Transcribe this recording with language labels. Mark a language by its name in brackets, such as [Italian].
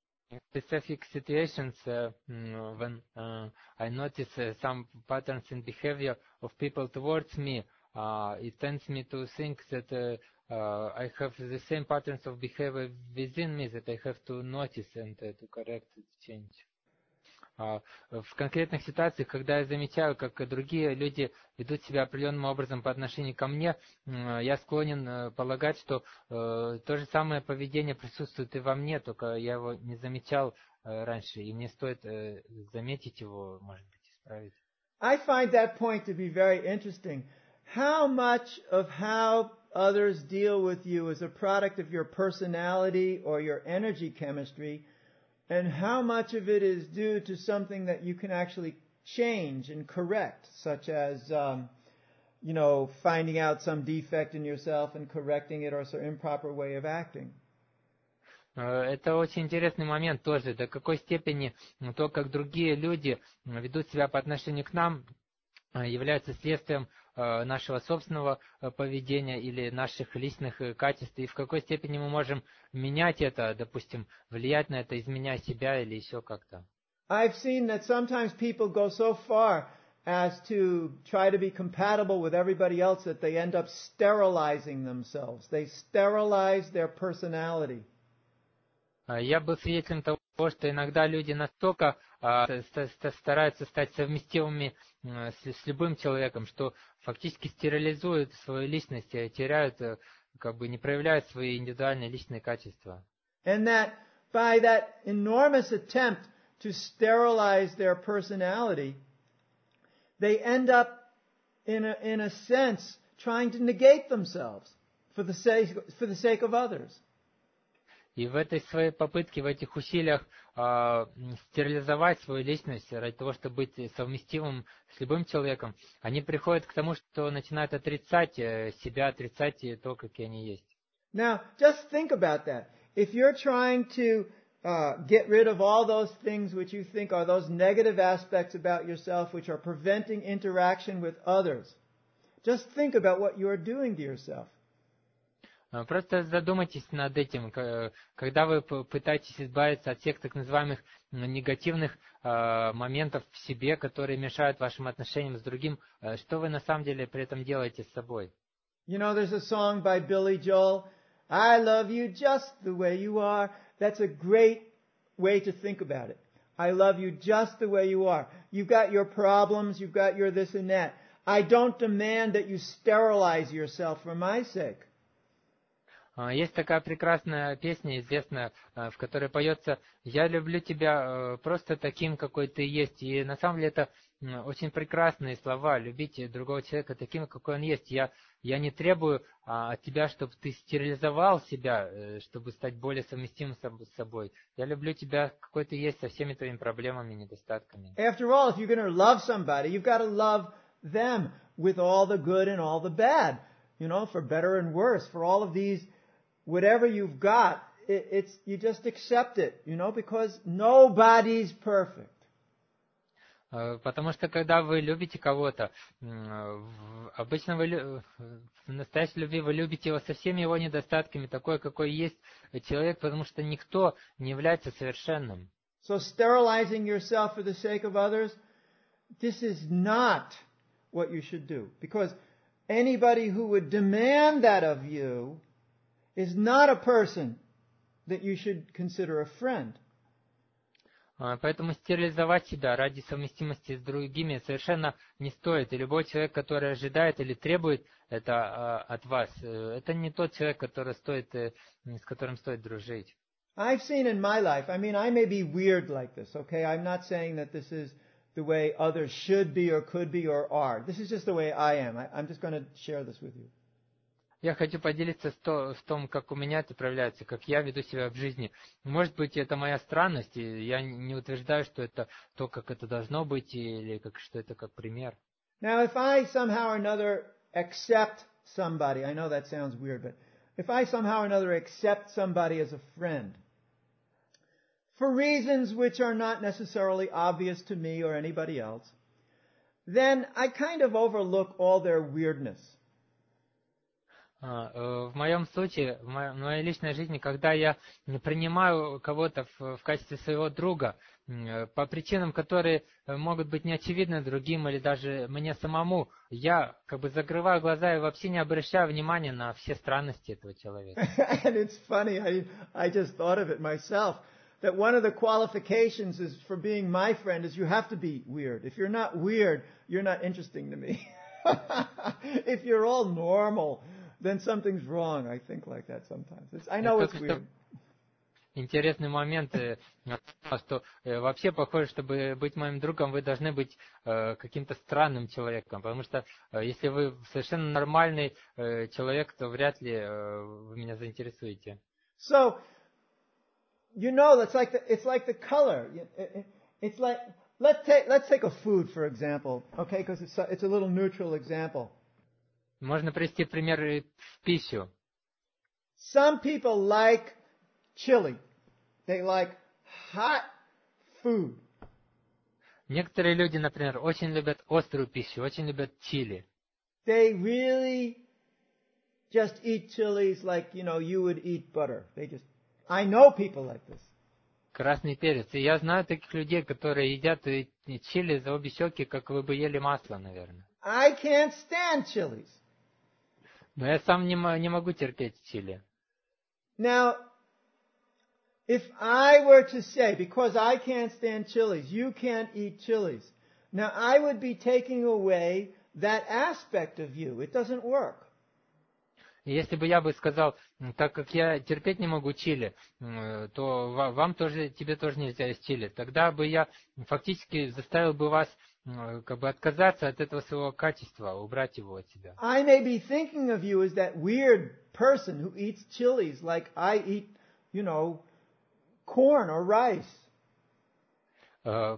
[English] In specific situations, when I notice some patterns in behavior of people towards me, it tends me to think that I have the same patterns of behavior within me that I have to notice and to correct and change. [Russian] В конкретных ситуациях, когда я замечаю, как другие люди ведут себя определенным образом по отношению ко мне, я склонен полагать, что то же самое поведение присутствует и во мне, только я его не замечал раньше, и мне стоит заметить его, может быть, исправить. [English] I find that point to be very interesting. How much of how others deal with you as a product of your personality or your energy chemistry, and how much of it is due to something that you can actually change and correct, such as, you know, finding out some defect in yourself and correcting it or some improper way of acting. [Russian] Это очень интересный момент тоже. До какой степени то, как другие люди ведут себя по отношению к нам, является следствием нашего собственного поведения или наших личных качеств, и в какой степени мы можем менять это, допустим, влиять на это, изменяя себя или еще как-то. [English] I've seen that sometimes people go so far as to try to be compatible with everybody else that they end up sterilizing themselves. They sterilize their personality. [Russian] Я был свидетелем того, что иногда люди настолько стараются стать совместимыми с любым человеком, что фактически стерилизуют свою личность, теряют, как бы не проявляют свои индивидуальные личные качества. [English] And that by that enormous attempt to sterilize their personality, they end up in a sense trying to negate themselves for the sake of others. [Russian] И в этой своей попытке, в этих усилиях стерилизовать свою личность ради того, чтобы быть совместимым с любым человеком, они приходят к тому, что начинают отрицать себя, отрицать то, какие они есть. [English] Now, just think about that. If you're trying to get rid of all those things which you think are those negative aspects about yourself which are preventing interaction with others, just think about what you are doing to yourself. [Russian] Просто задумайтесь над этим, когда вы пытаетесь избавиться от всех так называемых негативных моментов в себе, которые мешают вашим отношениям с другим, что вы на самом деле при этом делаете с собой? [English] You know, there's a song by Billy Joel, "I love you just the way you are." That's a great way to think about it. I love you just the way you are. You've got your problems, you've got your this and that. I don't demand that you sterilize yourself for my sake. [Russian] Есть такая прекрасная песня, известная, в которой поется «Я люблю тебя просто таким, какой ты есть». И на самом деле это очень прекрасные слова «любить другого человека таким, какой он есть». Я не требую от тебя, чтобы ты стерилизовал себя, чтобы стать более совместимым с собой. Я люблю тебя, какой ты есть, со всеми твоими проблемами и недостатками. [English] After all, if you're going to love somebody, you've got to love them with all the good and all the bad, you know, for better and worse, for all of these... Whatever you've got, it's you just accept it, you know, because nobody's perfect. [Russian] Потому что когда вы любите кого-то, обычно вы в настоящей любви вы любите его со всеми его недостатками, такой какой есть человек, потому что никто не является совершенным. [English] So sterilizing yourself for the sake of others, this is not what you should do, because anybody who would demand that of you is not a person that you should consider a friend. [Russian] Поэтому стерилизовать себя ради совместимости с другими совершенно не стоит. И любой человек, который ожидает или требует это от вас, это не тот человек, который стоит, с которым стоит дружить. [English] I've seen in my life, I mean, I may be weird like this, okay? I'm not saying that this is the way others should be or could be or are. This is just the way I am. I'm just going to share this with you. [Russian] Я хочу поделиться с том, как у меня это проявляется, как я веду себя в жизни. Может быть, это моя странность, и я не утверждаю, что это то, как это должно быть, или как, что это как пример. [English] Now, if I somehow or another accept somebody, I know that sounds weird, but if I somehow or another accept somebody as a friend, for reasons which are not necessarily obvious to me or anybody else, then I kind of overlook all their weirdness. [Russian] В моем случае, в моей личной жизни, когда я принимаю кого-то в качестве своего друга, по причинам, которые могут быть неочевидны другим или даже мне самому, я как бы закрываю глаза и вообще не обращаю внимания на все странности этого человека. [English] And it's funny, I just thought of it myself, that one of the qualifications is for being my friend is you have to be weird. If you're not weird, you're not interesting to me. If you're all normal, then something's wrong, I think like that sometimes. I know it's weird. [Russian] Интересный момент, что вообще похоже, чтобы быть моим другом, вы должны быть каким-то странным человеком, потому что если вы совершенно нормальный человек, то вряд ли вы меня заинтересуете. [English] So, you know, it's like the color. It's like, let's take a food, for example, okay, because it's a little neutral example. [Russian] Можно привести пример в пищу. [English] Some people like chili. They like hot food. [Russian] Некоторые люди, например, очень любят острую пищу, очень любят чили. [English] They really just eat chilies like, you know, you would eat butter. They just... I know people like this. [Russian] К красный перец. И я знаю таких людей, которые едят чили за обе щеки, как вы бы ели масло, наверное. [English] I can't stand chilies. [Russian] Но я сам не могу терпеть чили. [English] Now, if I were to say, because I can't stand chilies, you can't eat chilies. Now, I would be taking away that aspect of you. It doesn't work. [Russian] Если бы я бы сказал, так как я терпеть не могу чили, то вам тоже, тебе тоже нельзя есть чили. Тогда бы я фактически заставил бы вас как бы отказаться от этого своего качества, убрать его от себя. [English] I may be thinking of you as that weird person who eats chilies like I eat, you know, corn or rice.